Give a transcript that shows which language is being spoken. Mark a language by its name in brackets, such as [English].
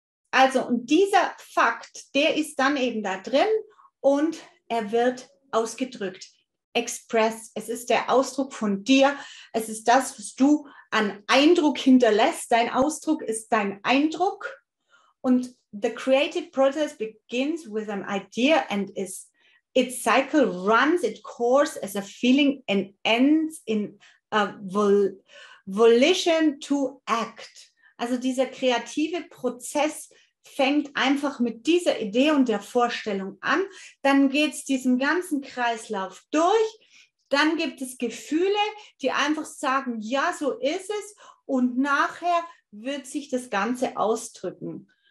[German] Also, und dieser Fakt, der ist dann eben da drin und er wird ausgedrückt. Express, es ist der Ausdruck von dir, es ist das, was du an Eindruck hinterlässt. Dein Ausdruck ist dein Eindruck. Und [English] the creative process begins with an idea and is its cycle runs its course as a feeling and ends in a volition to act. [German] Also dieser kreative Prozess fängt einfach mit dieser Idee und der Vorstellung an. Dann geht es diesen ganzen Kreislauf durch. Dann gibt es Gefühle, die einfach sagen, ja, so ist es. Und nachher wird sich das Ganze ausdrücken.